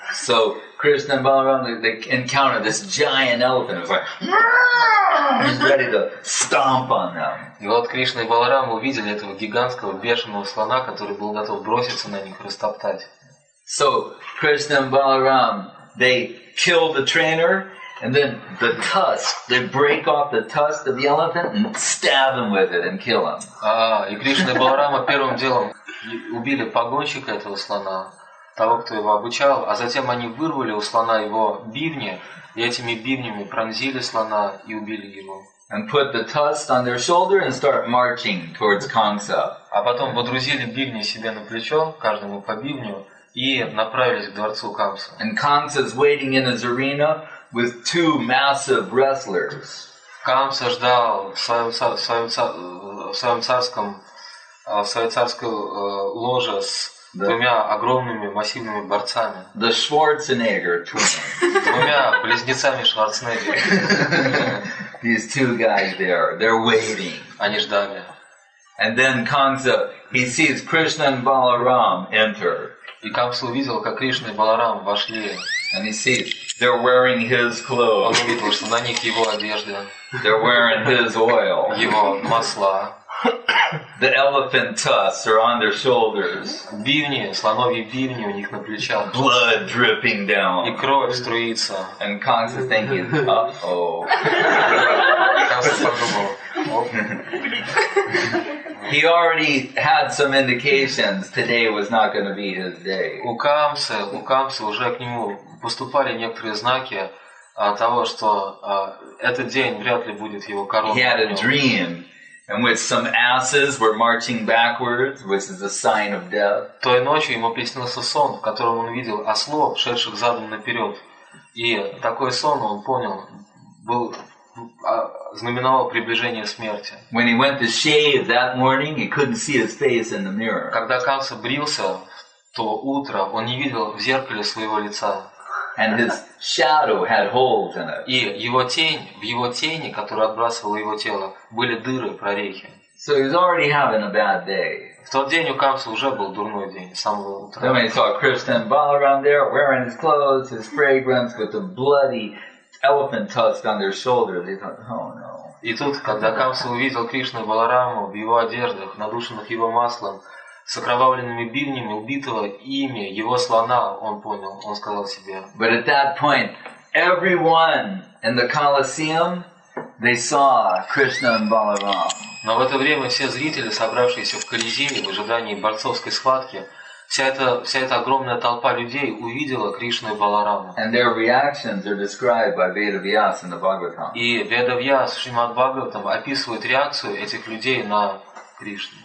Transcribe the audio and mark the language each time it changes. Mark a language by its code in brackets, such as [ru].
[en] So Krishna and Balaram, they encounter this giant elephant. It's like, he's ready to stomp on them. [ru] И вот Кришна и Баларама увидели этого гигантского бешеного слона, который был готов броситься на них и растоптать. [en] So Krishna and Balaram, they kill the trainer, and then the tusk, they break off the tusk of the elephant and stab him with it and kill him. [ru] И Кришна и Баларама первым делом убили погонщика этого слона, того, кто его обучал, а затем они вырвали у слона его бивни и этими бивнями пронзили слона и убили его. [en] And put the tusk on their shoulder and start marching towards Kamsa. [ru] А потом водрузили бивни себе на плечо, каждому по бивню. И направились к дворцу Камсы. [en] And Kamsa's waiting in his arena with two massive wrestlers. [ru] Камса ждал в своей царской ложе с двумя огромными массивными борцами. [en] The Schwarzenegger twin. [ru] Двумя близнецами Шварценеггера. [en] These two guys there, they're waiting. [ru] Они ждали. [en] And then Kamsa, he sees Krishna and Balaram enter. [ru] И Камса увидел, как Кришна и Баларам вошли. [en] And he sees they're wearing his clothes. [ru] Он увидел, что на них его одежда. [en] They're wearing his oil. [ru] Его масла. [en] The elephant tusks are on their shoulders. [ru] Бивни, слоновьи бивни у них на плечах. [en] Blood dripping down. [ru] И кровь струится. [en] And Kamsa is thinking, uh-oh. [ru] Камса подумал. [en] He already had some indications today was not going to be his day. [ru] У Камсы уже к нему поступали некоторые знаки того, что этот день вряд ли будет его коронным. [en] He had a dream in which some asses were marching backwards, which is a sign of death. [ru] Той ночью ему приснился сон, в котором он видел ослов, шедших задом наперед. И такой сон, он понял, был знаменовал приближение смерти. [en] When he went to shave that morning, he couldn't see his face in the mirror. [ru] Когда Камса брился, то утро он не видел в зеркале своего лица. [en] And his shadow had holes in it. [ru] И его тень, в его тени, которая отбрасывала его тело, были дыры, прорехи. [en] So he's already having a bad day. [ru] В тот день у Камсы уже был дурной день, с самого утра. [en] Then he saw Krishna and Balaram there, wearing his clothes, his fragrance with the bloody elephant tusk on their shoulder. They thought, oh no. [ru] И тут, когда Камса увидел Кришну и Балараму в его одеждах, надушенных его маслом, с окровавленными бивнями убитого имя его слона он понял. Он сказал себе. [en] But at that point, everyone in the Colosseum, they saw Krishna and Balaram. [ru] Но в это время все зрители, собравшиеся в Колизее в ожидании борцовской схватки, вся эта огромная толпа людей увидела Кришну и Баларама. [en] And their reactions are described by Veda Vyas in the Bhagavatam. [ru] И Веда Вьяс в Шримад Бхагаватам описывает реакцию этих людей на Кришну.